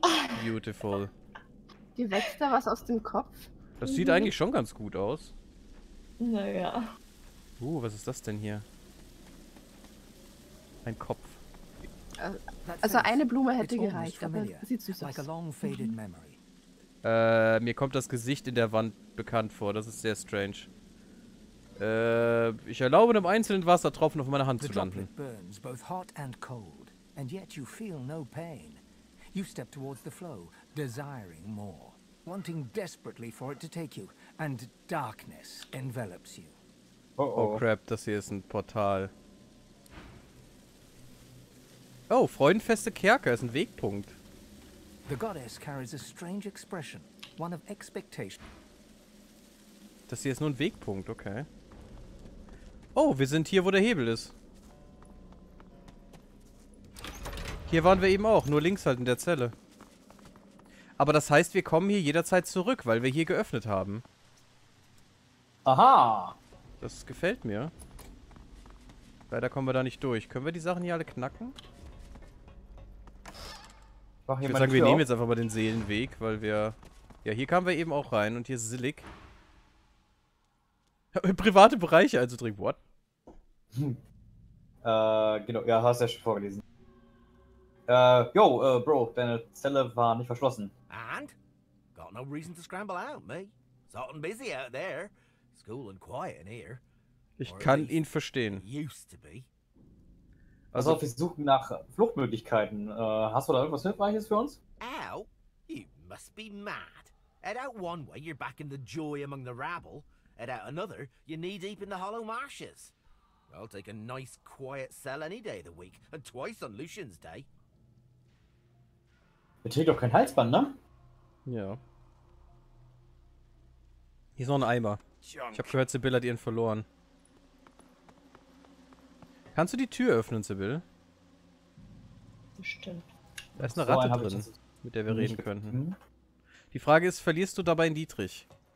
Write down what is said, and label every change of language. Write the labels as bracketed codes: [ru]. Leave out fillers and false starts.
[de] ja? [en] Beautiful. [de] Hier wächst da was aus dem Kopf. Das sieht eigentlich schon ganz gut aus. Naja. Was ist das denn hier? Ein Kopf. Also eine Blume hätte gereicht, aber das sieht süß aus. [en] Like a long faded memory. [de] Mir kommt das Gesicht in der Wand bekannt vor. Das ist sehr strange. Ich erlaube einem einzelnen Wassertropfen auf meiner Hand zu landen. [en] Burns, both hot and cold, and yet you feel no pain. You step towards the flow, desiring more, wanting desperately for it to take you, and darkness envelops you. [de] Oh crap, das hier ist ein Portal. Oh, freudenfeste Kerker ist ein Wegpunkt. [en] The goddess carries a strange expression, one of expectation. [de] Das hier ist nur ein Wegpunkt, okay. Oh, wir sind hier, wo der Hebel ist. Hier waren wir eben auch, nur links halt in der Zelle. Aber das heißt, wir kommen hier jederzeit zurück, weil wir hier geöffnet haben. Aha! Das gefällt mir. Leider kommen wir da nicht durch. Können wir die Sachen hier alle knacken? Ich würde sagen, wir nehmen jetzt einfach mal den Seelenweg, weil wir... Ja, hier kamen wir eben auch rein und hier ist Sillig. Private Bereiche also drin, what? Genau, ja, hast du ja schon vorgelesen. Bro, deine Zelle war nicht verschlossen. [en] And? Got no reason to scramble out, me. It's hot and busy out there. School and quiet in here. [de] Ich kann ihn verstehen. Also, wir suchen nach Fluchtmöglichkeiten. Hast du da irgendwas Hilfreiches für uns? [en] Ow, you must be mad. Head out one way, you're back in the joy among the rabble. Head out another, you're knee deep in the hollow marshes. I'll take a nice quiet cell any day of the week, and twice on Lucian's day. [de] Das trägt doch kein Halsband, ne? Ja. Hier ist noch ein Eimer. Junk. Ich hab gehört, Sibylle hat ihren verloren. Kannst du die Tür öffnen, Sibylle? Bestimmt. Da ist eine Ratte drin, mit der wir reden könnten. Die Frage ist, verlierst du dabei einen Dietrich?